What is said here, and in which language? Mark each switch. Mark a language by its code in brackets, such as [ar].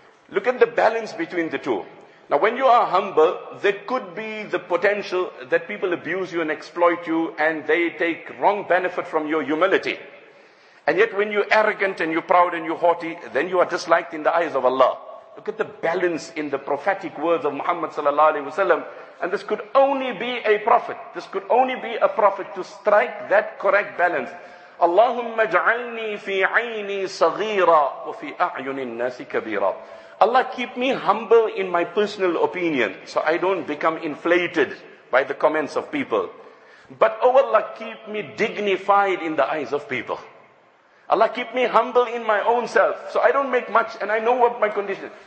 [en] Look at the balance between the two. Now when you are humble, there could be the potential that people abuse you and exploit you and they take wrong benefit from your humility. And yet when you're arrogant and you're proud and you're haughty, then you are disliked in the eyes of Allah. Look at the balance in the prophetic words of Muhammad sallallahu alaihi wasallam. And this could only be a prophet. This could only be a prophet to strike that correct balance. [ar] اللهم اجعلني في عيني صغيرا وفي أعين الناس كبيرا. [en] Allah, keep me humble in my personal opinion, so I don't become inflated by the comments of people. But, oh Allah, keep me dignified in the eyes of people. Allah, keep me humble in my own self, so I don't make much and I know what my condition is.